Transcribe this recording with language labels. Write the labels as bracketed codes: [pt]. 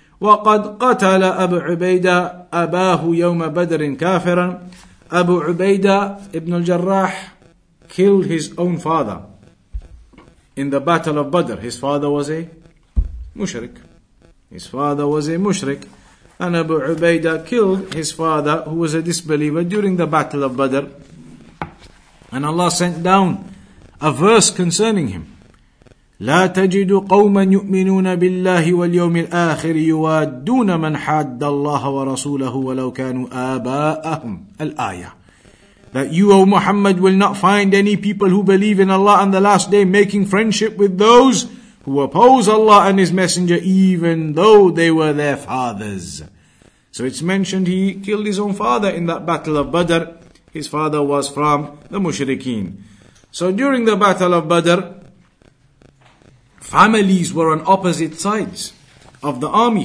[ar] وَقَدْ قَتَلَ أَبُ عُبَيْدَ أَبَاهُ يَوْمَ بَدْرٍ كَافِرًا [en] Abu Ubaidah ibn al-Jarrah killed his own father in the Battle of Badr. His father was a mushrik. His father was a mushrik. And Abu Ubaidah killed his father, who was a disbeliever, during the Battle of Badr. And Allah sent down a verse concerning him. [ar] لا تجد قوما يؤمنون بالله واليوم الآخر يوادون من حاد الله ورسوله ولو كانوا آباءهم الآية. [en] That you, O Muhammad, will not find any people who believe in Allah on the last day making friendship with those who oppose Allah and His Messenger, even though they were their fathers. So it's mentioned he killed his own father in that battle of Badr. His father was from the Mushrikeen. So during the battle of Badr, families were on opposite sides of the army.